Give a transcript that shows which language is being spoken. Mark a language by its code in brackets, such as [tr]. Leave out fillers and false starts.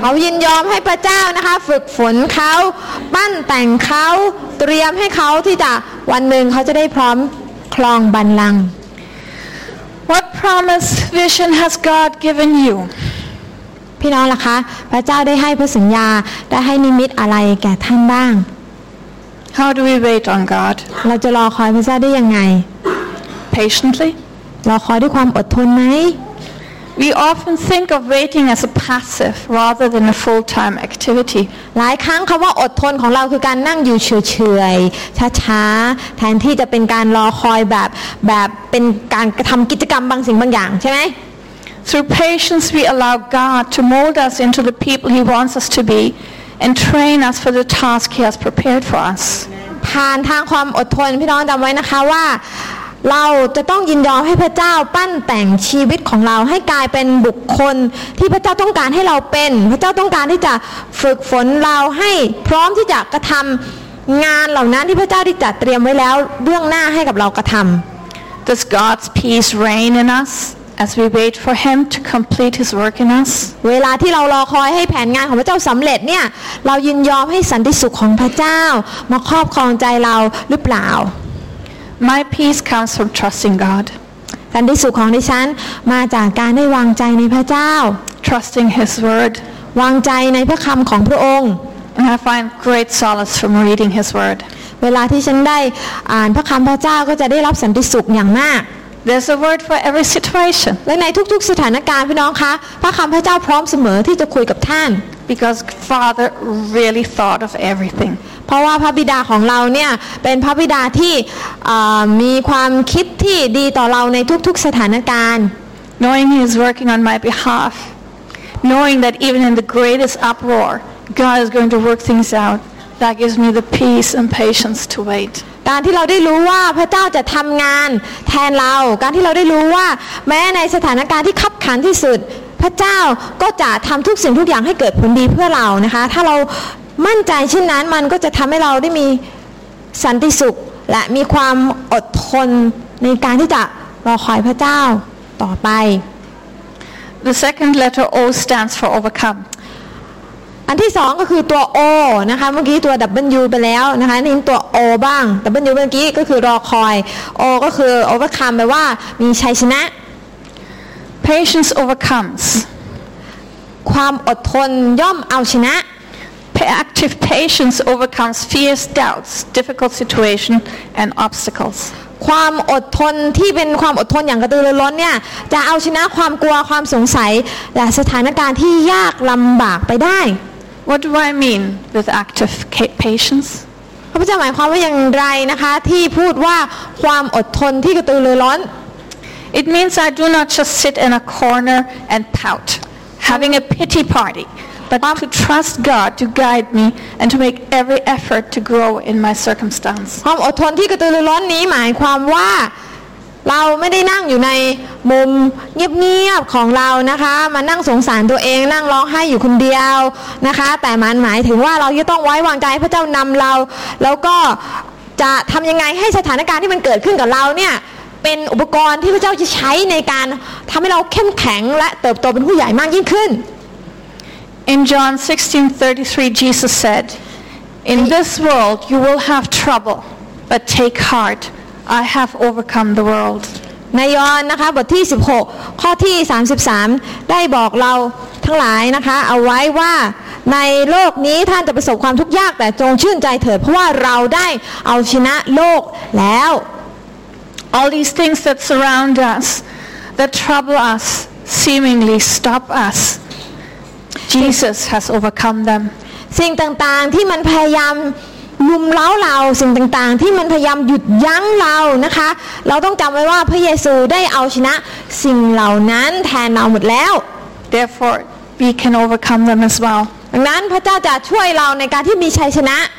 [th] เขายินยอมให้พระเจ้านะคะฝึกฝนเขาปั้นแต่งเขาเตรียมให้เขาที่จะวันหนึ่งเขาจะได้พร้อมครองบัลลังก์ [en] What promise vision has God given you? [th] พี่น้องล่ะคะพระเจ้าได้ให้พระสัญญาได้ให้นิมิตอะไรแก่ท่านบ้าง [en] How do we wait on God? [th] เราจะรอคอยพระเจ้าได้ยังไง [en] patiently [th] เราคอยด้วยความอดทนไหม [en] We often think of waiting as a passive rather than a full-time activity [th] หลายครั้งคําว่าอดทนของเราคือการนั่งอยู่เฉยๆช้าๆแทนที่จะเป็นการรอคอยแบบเป็นการทํากิจกรรมบางสิ่งบางอย่างใช่มั้ย [en] Through patience we allow God to mold us into the people he wants us to be and train us for the task he has prepared for us [th] ผ่านทางความอดทนพี่น้องจําไว้นะคะว่าเราจะต้องยินยอมให้พระเจ้าปั้นแต่งชีวิตของเราให้กลายเป็นบุคคลที่พระเจ้าต้องการให้เราเป็นพระเจ้าต้องการที่จะฝึกฝนเราให้พร้อมที่จะกระทำงานเหล่านั้นที่พระเจ้าได้จัดเตรียมไว้แล้วเบื้องหน้าให้กับเรากระทำ [en] Does God's peace reign in us as we wait for Him to complete His work in us [th] เวลาที่เรารอคอยให้แผนงานของพระเจ้าสำเร็จเนี่ยเรายินยอมให้สันติสุขของพระเจ้ามาครอบครองใจเราหรือเปล่า [en] My peace comes from trusting God. [th] สันติสุขของดิฉันมาจากการได้วางใจในพระเจ้า [en] Trusting His word. [th] วางใจในพระคำของพระองค์ [en] And I find great solace from reading His word. [th] เวลาที่ฉันได้อ่านพระคำพระเจ้าก็จะได้รับสันติสุขอย่างมาก [en] There's a word for every situation. [th] และในทุกๆสถานการณ์พี่น้องคะพระคำพระเจ้าพร้อมเสมอที่จะคุยกับท่าน [en] Because Father really thought of everything. [th] เพราะว่าพระบิดาของเราเนี่ยเป็นพระบิดาที่มีความคิดที่ดีต่อเราในทุกๆสถานการณ์ [en] Knowing he is working on my behalf knowing that even in the greatest uproar God is going to work things out that gives me the peace and patience to wait [th] การที่เราได้รู้ว่าพระเจ้าจะทำงานแทนเราการที่เราได้รู้ว่าแม้ในสถานการณ์ที่ขับขันที่สุดพระเจ้าก็จะทำทุกสิ่งทุกอย่างให้เกิดผลดีเพื่อเรานะคะถ้าเรามั่นใจเช่นนั้นมันก็จะทำให้เราได้มีสันติสุขและมีความอดทนในการที่จะรอคอยพระเจ้าต่อไป [en] The second letter O stands for overcome [th] อันที่สองก็คือตัว O นะคะเมื่อกี้ตัว W ไปแล้วนะคะนี่ตัว O บ้าง W เมื่อกี้ก็คือรอคอย O ก็คือ overcome แปลว่ามีชัยชนะ [en] patience overcomes. [th] ความอดทนย่อมเอาชนะ [en] Active patience overcomes fierce doubts, difficult situations, and obstacles. [th] ความอดทนที่เป็นความอดทนอย่างกระตือรือร้นเนี่ยจะเอาชนะความกลัวความสงสัยและสถานการณ์ที่ยากลำบากไปได้ [en] What do I mean with active patience? [th] พระพุทธเจ้าหมายความว่าอย่างไรนะคะที่พูดว่าความอดทนที่กระตือรือร้น [en] It means I do not just sit in a corner and pout, having a pity party, but to trust God to guide me and to make every effort to grow in my circumstance. [th] ความอดทนที่กระตือรือร้นนี้หมายความว่าเราไม่ได้นั่งอยู่ในมุมเงียบๆของเรานะคะมานั่งสงสารตัวเองนั่งร้องไห้อยู่คนเดียวนะคะแต่มันหมายถึงว่าเราจะต้องไว้วางใจให้พระเจ้านำเราแล้วก็จะทำยังไงให้สถานการณ์ที่มันเกิดขึ้นกับเราเนี่ยเป็นอุปกรณ์ที่พระเจ้าจะใช้ในการทำให้เราเข้มแข็งและเติบโตเป็นผู้ใหญ่มากยิ่งขึ้น [en] In John 16:33 Jesus said In this world you will have trouble but take heartI have overcome the world. [th] ในยอห์นนะคะบทที่16ข้อที่33ได้บอกเราทั้งหลายนะคะเอาไว้ว่าในโลกนี้ท่านจะประสบความทุกข์ยากแต่จงชื่นใจเถิดเพราะว่าเราได้เอาชนะโลกแล้ว [en] All these things that surround us, that trouble us, seemingly stop us. Jesus has overcome them. [th] สิ่งต่างๆที่มันพยายามลุมเล้าเราสิ่งต่างๆที่มันพยายามหยุดยั้งเรานะคะเราต้องจำไว้ว่าพระเยซูได้เอาชนะสิ่งเหล่านั้นแทนเราหมดแล้ว [en] Therefore we can overcome them as well [th] ดังนั้นพระเจ้าจะช่วยเราในการที่มีชัยชนะ